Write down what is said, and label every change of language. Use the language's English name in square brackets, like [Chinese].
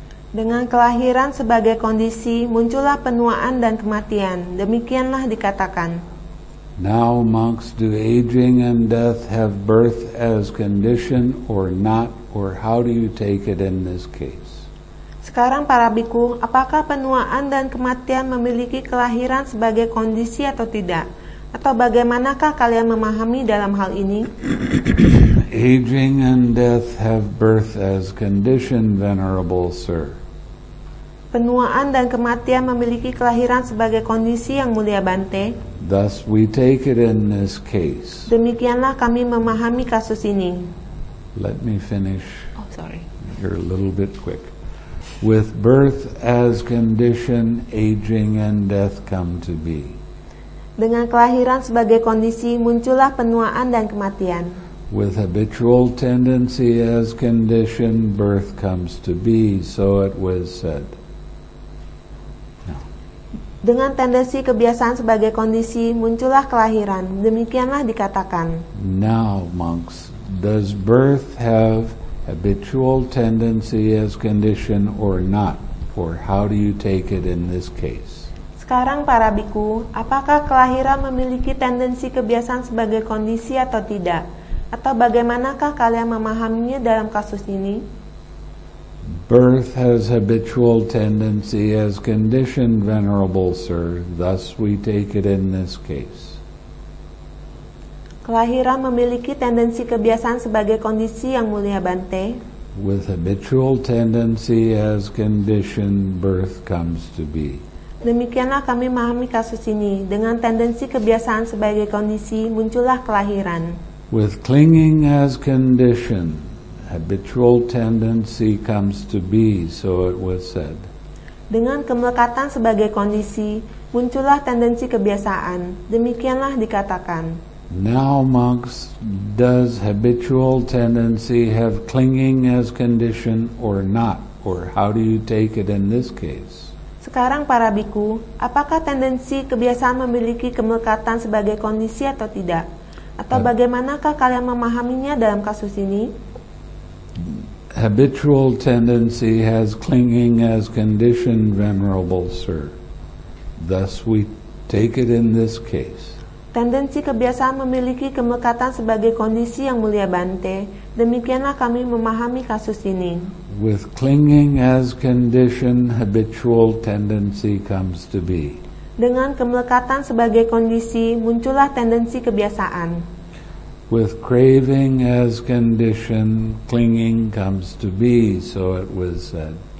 [Indonesian] Dengan kelahiran sebagai kondisi, muncullah penuaan dan kematian. Demikianlah dikatakan. [English] Now, monks, do aging and death have birth as condition or not, or how do you take it in this case? [Indonesian] Sekarang para bhikkhu, apakah penuaan dan kematian memiliki kelahiran sebagai kondisi atau tidak? Atau bagaimanakah kalian memahami dalam hal ini? [English] Aging and death have birth as condition, venerable sir. [Indonesian] Penuaan dan kematian memiliki kelahiran sebagai kondisi yang mulia Bante. [English] Thus we take it in this case. [Indonesian] Demikianlah kami memahami kasus ini. [English] Let me finish. Oh, sorry. You're a little bit quick. With birth as condition, aging and death come to be. [Indonesian] Dengan kelahiran sebagai kondisi, muncullah penuaan dan kematian. [English] With habitual tendency as condition, birth comes to be, so it was said. [Indonesian] Dengan tendensi kebiasaan sebagai kondisi, muncullah kelahiran. Demikianlah dikatakan. [English] Now, monks, does birth have habitual tendency as condition or not? Or how do you take it in this case? [Indonesian] Sekarang, para bhikkhu, apakah kelahiran memiliki tendensi kebiasaan sebagai kondisi atau tidak? Atau bagaimanakah kalian memahaminya dalam kasus ini? [English] Birth has habitual tendency as condition, venerable sir. Thus we take it in this case. [Indonesian] Kelahiran memiliki tendensi kebiasaan sebagai kondisi yang mulia Bante. [English] With habitual tendency as condition, birth comes to be. [Indonesian] Demikianlah kami memahami kasus ini. Dengan tendensi kebiasaan sebagai kondisi, muncullah kelahiran. [English] With clinging as condition, habitual tendency comes to be, so it was said. [Indonesian] Dengan kemelekatan sebagai kondisi, muncullah tendensi kebiasaan. Demikianlah dikatakan. [English] Now, monks, does habitual tendency have clinging as condition or not? Or how do you take it in this case? [Indonesian] Sekarang, para bhikkhu, apakah tendensi kebiasaan memiliki kemelekatan sebagai kondisi atau tidak? Atau bagaimanakah kalian memahaminya dalam kasus ini? [English] Habitual tendency has clinging as condition, venerable sir. Thus we take it in this case. [Indonesian] Tendensi kebiasaan memiliki kemelekatan sebagai kondisi yang mulia Bante. Demikianlah kami memahami kasus ini. [English] With clinging as condition, habitual tendency comes to be. [Indonesian] Dengan kemelekatan sebagai kondisi, muncullah tendensi kebiasaan. [English] With craving as condition, clinging comes to be, so it was said.